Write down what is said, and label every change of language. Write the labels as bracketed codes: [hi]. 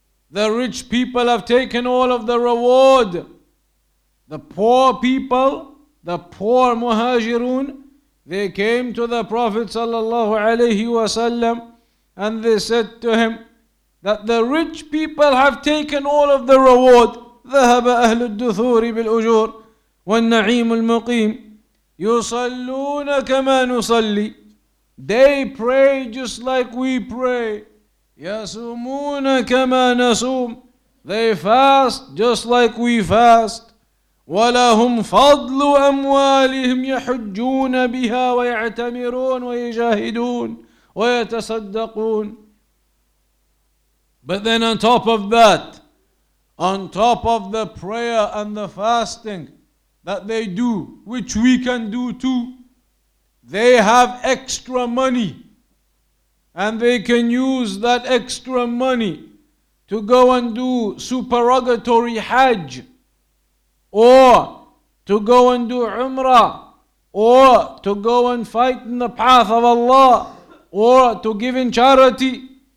[en] The rich people have taken all of the reward. The poor people, the poor muhajirun, they came to the Prophet sallallahu alayhi wasallam and they said to him that the rich people have taken all of the reward. [ar] ذهب أهل الدثور بالأجور والنعيم المقيم يصلون كما نصلي. [en] They pray just like we pray. [ar] يصومون كما نصوم. [en] They fast just like we fast. [ar] ولهم فضل أموالهم يحجون بها ويعتمرون ويجاهدون ويتصدقون. [en] But then on top of that, on top of the prayer and the fasting that they do, which we can do too, they have extra money. And they can use that extra money to go and do supererogatory hajj, or to go and do umrah, or to go and fight in the path of Allah, or to give in charity.